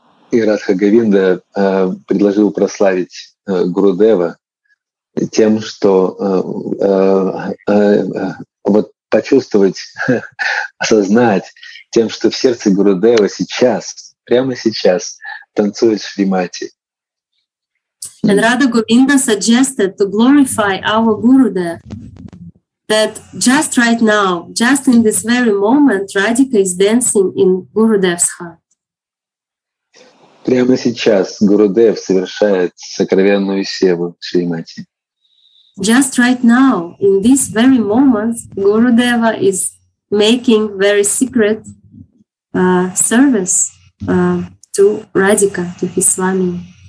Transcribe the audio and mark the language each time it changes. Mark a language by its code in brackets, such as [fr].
[ru] И Радха Говинда предложил прославить Гурудева тем, что вот почувствовать, осознать тем, что в сердце Гурудева сейчас, прямо сейчас, танцует Шримати. [en] And Radha Govinda suggested to glorify our Gurudev that just right now, just in this very moment, Radhika is dancing in Gurudev's heart. [ru] Прямо сейчас Гурудев совершает сокровенную севу Шримати. [en] Just right now, in this very moment, Gurudeva is making very secret service to Radhika, to his Swami.